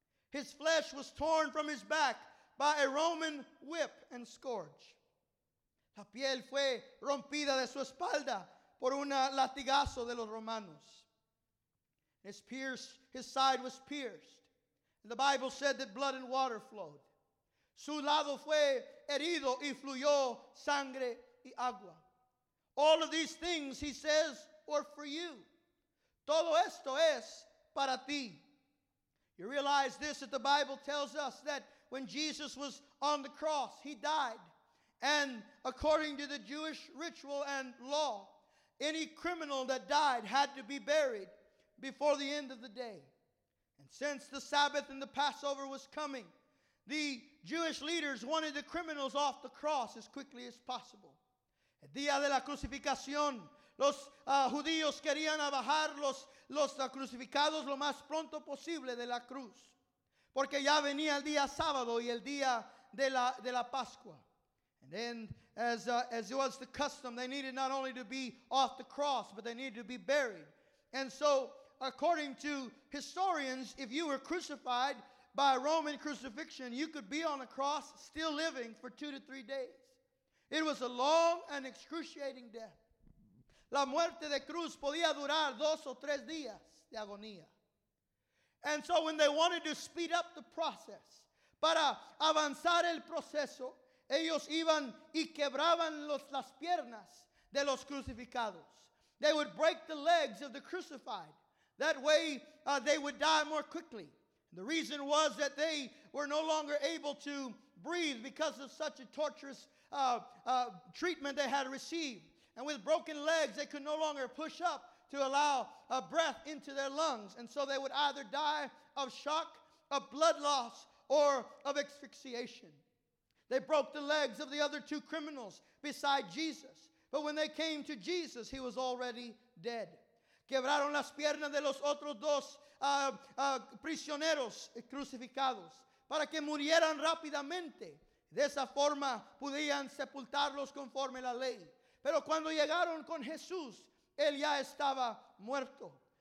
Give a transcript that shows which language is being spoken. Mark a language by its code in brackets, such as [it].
[en] His flesh was torn from his back by a Roman whip and scourge. [es] La piel fue rompida de su espalda por un latigazo de los romanos. [en] His side was pierced. The Bible said that blood and water flowed. [es] Su lado fue herido y fluyó sangre y agua. [en] All of these things, he says, were for you. [es] Todo esto es para ti. [en] You realize this, that the Bible tells us that when Jesus was on the cross, he died. And according to the Jewish ritual and law, any criminal that died had to be buried before the end of the day. And since the Sabbath and the Passover was coming, the Jewish leaders wanted the criminals off the cross as quickly as possible. [es] El día de la crucificación, los judíos querían bajar los crucificados lo más pronto posible de la cruz. Porque ya venía el día sábado y el día de la Pascua. [en] And then, as it was the custom, they needed not only to be off the cross, but they needed to be buried. And so, according to historians, if you were crucified by a Roman crucifixion, you could be on a cross still living for 2 to 3 days. It was a long and excruciating death. [es] La muerte de cruz podía durar 2 o 3 días de agonía. [en] And so when they wanted to speed up the process, [es] para avanzar el proceso, ellos iban y quebraban las piernas de los crucificados. [en] They would break the legs of the crucified. That way they would die more quickly. The reason was that they were no longer able to breathe because of such a torturous treatment they had received. And with broken legs, they could no longer push up to allow a breath into their lungs. And so they would either die of shock, of blood loss, or of asphyxiation. They broke the legs of the other two criminals beside Jesus. But when they came to Jesus, he was already dead. [es] Quebraron las piernas de los otros dos prisioneros crucificados para que murieran rápidamente. De esa forma, podían sepultarlos conforme la ley. Pero cuando llegaron con Jesús, él ya estaba muerto.